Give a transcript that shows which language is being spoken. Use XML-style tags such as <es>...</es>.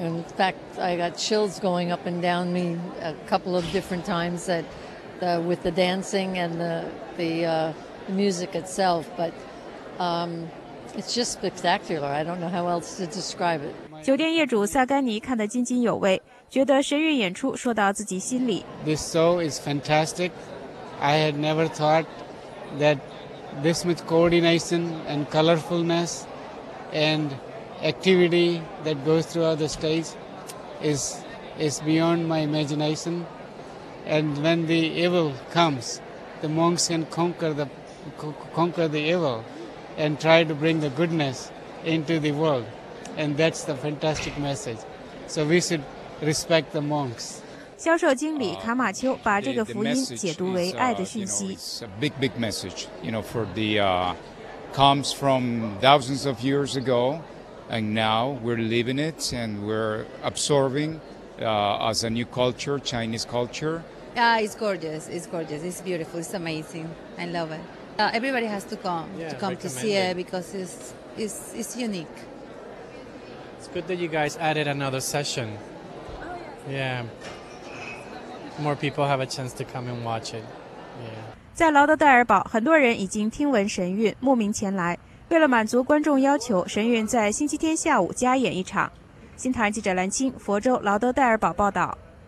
<en>In fact, I got chills going up and down me a couple of different times with the dancing and the music itself, butIt's just spectacular. I don't know how else to describe it.</en> <zh>酒店业主萨甘尼看得津津有味，觉得神韵演出说到自己心里。</zh> <en>This show is fantastic. I had never thought that this much coordination and colorfulness and activity that goes throughout the stage is beyond my imagination. And when the evil comes, the monks can conquer the evil. And try to bring the goodness into the world. And that's the fantastic message. So we should respect the monks.</en> <zh>销售经理卡马丘把这个福音解读为爱的讯息。</zh> <en>It's a big, big message, you know, for the, comes from thousands of years ago. And now we're living it and we're absorbing, as a new culture, Chinese culture. Yeah, it's gorgeous. It's gorgeous. It's beautiful. It's amazing. I love it. Everybody has to come to see it because it's unique. It's good that you guys added another session. Oh, yeah. Yeah. More people have a chance to come and watch it. Yeah.</en> <zh>在劳德代尔堡，很多人已经听闻神韵，慕名前来。为了满足观众要求，神韵在星期天下午加演一场。新唐人记者蓝青，佛州劳德代尔堡报道。</zh>